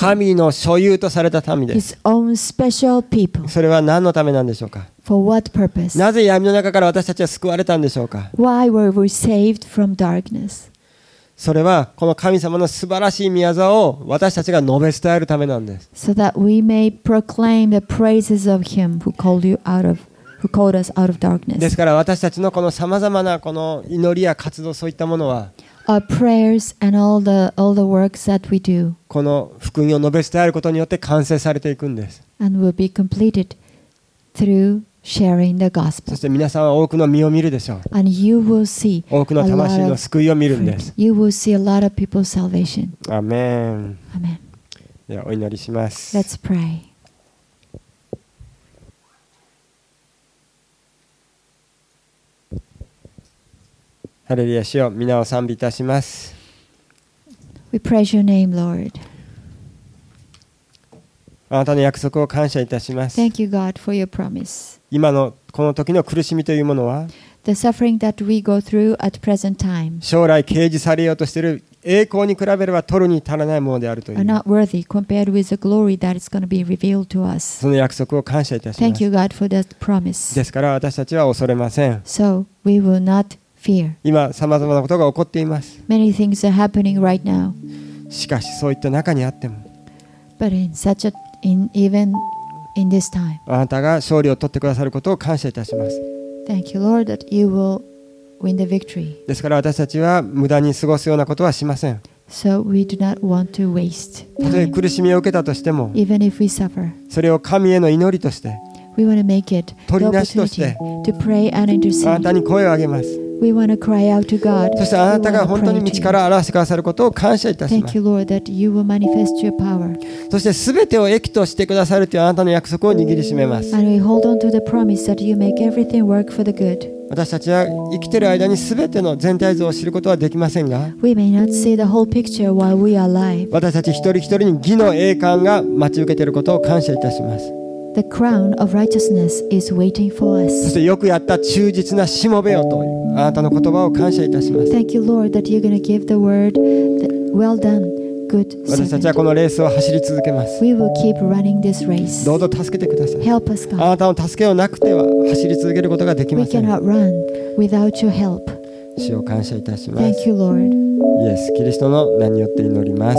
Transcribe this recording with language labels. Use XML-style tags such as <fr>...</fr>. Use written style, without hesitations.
<ja>神の所有とされた民です。</ja> <en>His own special people.</en> <ja>それは何のためなんでしょうか。</ja> <en>For what purpose?</en> <ja>なぜ闇の中から私たちは救われたんでしょうか。</ja> <en>Why were we saved from darkness?</en> <ja>それはこの神様の素晴らしい御業を私たちが述べ伝えるためなんです。</ja> <en>So that we may proclaim the praises of Him who called you out of. Who called us out of darkness.</en> <ja>ですから私たちのこのさまざまなこの祈りや活動そういったものは</ja> <en>Our prayers and all the works that we do.</en> <ja>この福音を述べ伝えることによって完成されていくんです。</ja> <en>And will be completed through sharing the gospel.</en> <ja>そして皆さんは多くの身を見るでしょう。</ja> <en>And you will see</en> <ja>多くの魂の救いを見るんです。</ja> <en>You will see a lot of people's salvation.</en> <ja>アメン。</ja> <en>アメン。</en> <ja>ではお祈りします。</ja> <en>Let's pray.</en> <ja>ハレルヤ主よ、皆を賛美いたします。</ja> <en>We praise your name, Lord.</en> <ja>あなたの約束を感謝いたします。</ja> <en>Thank you, God, for your promise.</en> <ja>今のこの時の苦しみというものは、</ja> <en>The suffering that we go through at present time.</en> <ja>将来掲示されようとしている栄光に比べれば取るに足らないものであるという。</ja> <en>Are not worthy compared with the glory that is going to be revealed to us.</en> <ja>その約束を感謝いたします。</ja> <en>Thank you, God, for that promise.</en> <ja>ですから私たちは恐れません。</ja> <en>So we will not.</en> <ja>今さまざまなことが起こっています。</ja> <en>Many things are happening right now.</en> <ja>しかしそういった中にあっても、</ja> <en>But in such a, in, even in this time,</en> <ja>あなたが勝利を取ってくださることを感謝いたします。</ja> <en>Thank you, Lord, that you will win the victory.</en> <ja>ですから私たちは無駄に過ごすようなことはしません。</ja> <en>So we do not want to waste time.</en> <ja>たとえ苦しみを受けたとしても、</ja> <en>even if we suffer,</en> <ja>それを神への祈りとして、</ja> <en>we want to make it the opportunity to pray and intercede.</en> <ja>あなたに声を上げます。</ja> <en>We want to cry out to God.</en> <ja>そしてあなたが本当に道から表してくださることを感謝いたします。</ja> <en>Thank you, Lord, that you will manifest your power.</en> <ja>そしてすべてを益としてくださるというあなたの約束を握りしめます。</ja> <en>And we hold on to the promise that you make everything work for the good.</en> <ja>私たちは生きている間にすべての全体像を知ることはできませんが、</ja> <en>We may not see the whole picture while we are alive.</en> <ja>私たち一人一人に義の栄冠が待ち受けていることを感謝いたします。</ja> <en>The crown of righteousness is waiting for us.</en> <ja>そしてよくやった忠実なしもべよというあなたの言葉を感謝いたします。</ja> <en>Thank you, Lord, that you're going to give the word. Well done, good servant.</en> <ja>私たちはこのレースを走り続けます。</ja> <en>We will keep running this race.</en> <ja>どうぞ助けてください。</ja> <en>Help us, God.</en> <ja>あなたの助けをなくては走り続けることができません。</ja> <en>We cannot run without your help.</en> <ja>主を感謝いたします。</ja> <en>Thank you, Lord.</en> <ja>イエス・キリストの名によって祈ります。</ja>